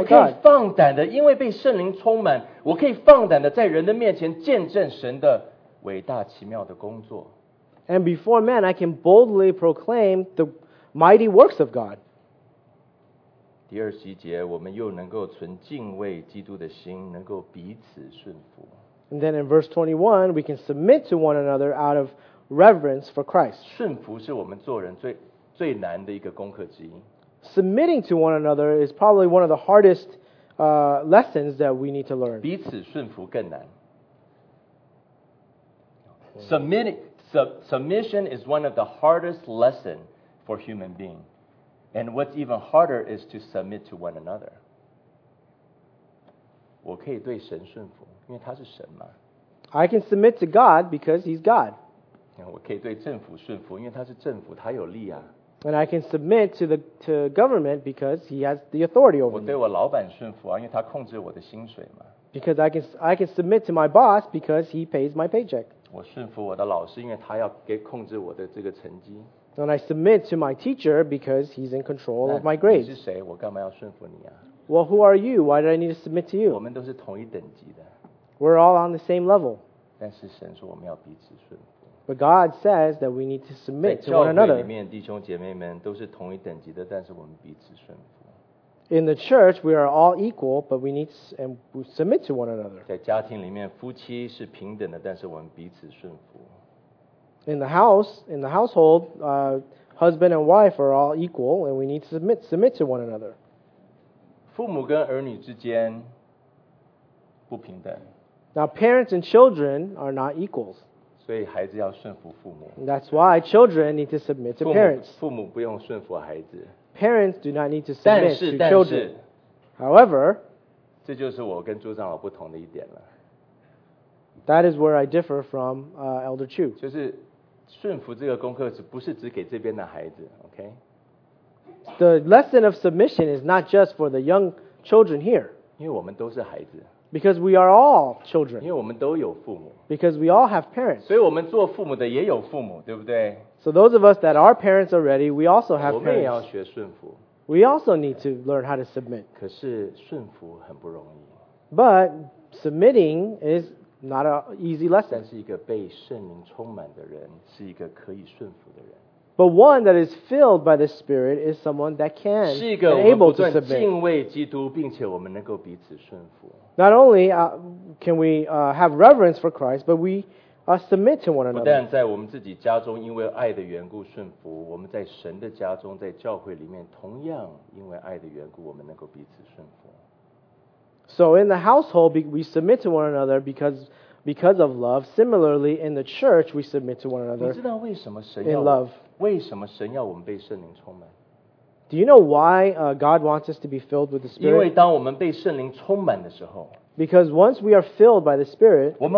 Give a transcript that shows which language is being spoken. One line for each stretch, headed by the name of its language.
Chinese: 我可以放胆的，因为被圣灵充满，我可以放胆的在人的面前见证神的伟大奇妙的工作。
English: And before men, I can boldly proclaim the mighty works of God.
Chinese: 第二十一节，我们又能够存敬畏基督的心，能够彼此顺服。
English: And then in verse 21, we can submit to one another out of reverence for Christ.
Chinese: 顺服是我们做人最难的一个功课之一。
English: Submitting to one another is probably one of the hardest lessons that we need to learn.
Chinese: 彼此顺服更难。
English: Submission is one of the hardest lessons for human beings. And what's even harder is to submit to one another.
Chinese: 我可以对神顺服，因为他是神嘛。
English: I can submit to God because He's God.
Chinese: 我可以对政府顺服，因为他是政府，他有力啊。
English: And I can submit to the government because he has the authority over me.
Chinese: 我对我老板顺服啊，因为他控制我的薪水嘛。
English: Because I can submit to my boss because he pays my paycheck.
Chinese: 我顺服我的老师，因为他要给控制我的这个成绩。
English: And I submit to my teacher because he's in control of my grades.
Chinese: 你是谁？我干嘛要顺服你啊？
English: Well, who are you? Why did I need to submit to you?
Chinese: 我们都是同一等级的。
English: We're all on the same level.
Chinese: 但是神说我们要彼此顺服。
English: But God says that we need to submit to one another.
Chinese: 在教会里面，弟兄姐妹们都是同一等级的，但是我们彼此顺服。
English: In the church, we are all equal, but we need to submit to one another.
Chinese: 在家庭里面，夫妻是平等的，但是我们彼此顺服。
English: In the household, husband and wife are all equal, and we need to submit to one another.
Chinese: 父母跟儿女之间不平等。
English: Now, parents and children are not equals.
Chinese: 所以孩子要顺服父母。
English: That's why children need to submit to parents.
Chinese: 父母不用顺服孩子。
English: Parents do not need to submit to children. However,
Chinese: 这就是我跟朱长老不同的一点了。
English: That is where I differ from Elder Chu.
Chinese: 就是顺服这个功课是不是只给这边的孩子 ？OK.
English: The lesson of submission is not just for the young children here.
Chinese: 因为我们都是孩子。
English: Because we are all children.
Chinese: 因为我们都有父母。
English: Because we all have parents.
Chinese: 所以我们做父母的也有父母，对不对
English: ？So those of us that are parents already, we also have parents.
Chinese: 我们也要学顺服。
English: We also need to learn how to submit.
Chinese: 可是顺服很不容易。
English: But submitting is not an easy lesson.
Chinese: 但是一个被圣灵充满的人，是一个可以顺服的人。
English: But one that is filled by the Spirit is someone that can and able to submit.
Chinese: 敬畏基督, 并且我们能够彼此顺服。
English: Not only can we have reverence for Christ, but we submit to one another.
Chinese: 不但在我们自己家中因为爱的缘故顺服, 我们在神的家中, 在教会里面, 同样因为爱的缘故, 我们能够彼此顺服。
English: So in the household, we submit to one another because of love. Similarly, in the church, we submit to one another in love.
Chinese: 为什么神要我们被圣灵充满?
English: Do you know why God wants us to be filled with the Spirit?
Chinese: 因为当我们被圣灵充满的时候,
English: because once we are filled by the Spirit,